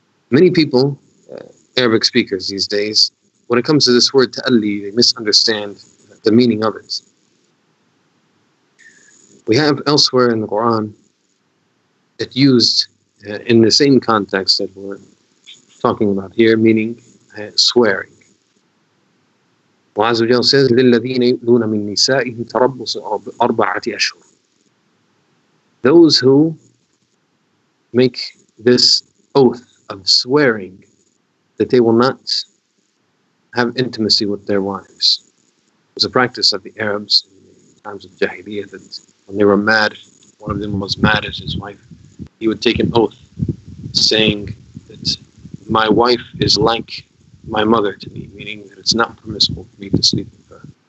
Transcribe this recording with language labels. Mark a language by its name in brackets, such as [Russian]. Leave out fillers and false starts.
[English] Many people, Arabic speakers these days, when it comes to this word ta'alli, they misunderstand the meaning of it. We have elsewhere in the Quran it used in the same context that we're talking about here, meaning swearing. Allah Azza wa Jalla says, [Arabic] لِلَّذِينَ يُؤْذُونَ مِنْ نِسَائِهِمْ تَرَبُّصُ أَرْبَعَةِ أَشْهُرٍ. [English] Those who make this oath of swearing that they will not have intimacy with their wives. It was a practice of the Arabs in the times of Jahiliyyah that when they were mad, one of them was mad at his wife, he would take an oath saying that my wife is like my mother to me, meaning that it's not permissible for me to sleep with her.